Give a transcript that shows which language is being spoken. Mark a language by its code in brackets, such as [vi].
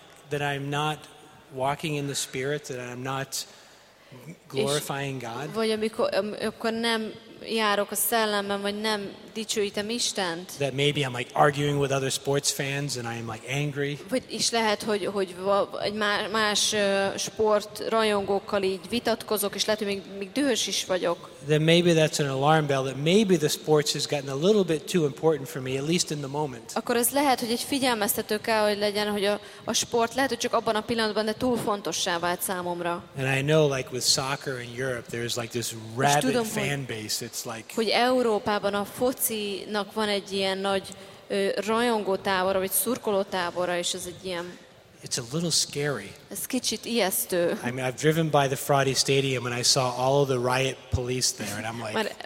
[en] That I'm not walking in the spirit, that I'm not glorifying God. [hu] Vagy amikor nem járok a szellemben, vagy nem dicsőítem Istent. [en] That maybe I'm like arguing with other sports fans and I'm like angry. [hu] Vagy is lehet, hogy egy más sport rajongókkal így vitatkozok, és lehet, hogy még dühös is vagyok. [en] Then maybe that's an alarm bell that maybe the sports has gotten a little bit too important for me, at least in the moment. [hu] Akkor ez lehet, hogy egy figyelmeztető kell, hogy legyen, hogy a sport lehet, hogy csak abban a pillanatban, de túl fontossá vált számomra. [en] And I know like with soccer in Europe, there's like this rabid fan base. It's like [hu] hogy Európában a focinak van egy ilyen nagy rajongótábora, vagy szurkolótábora, és ez egy ilyen. [en] It's a little scary. [hu] Ez kicsit ijesztő. [en] I mean, I've driven by the Frati Stadium and I saw all of the riot police there and I'm like.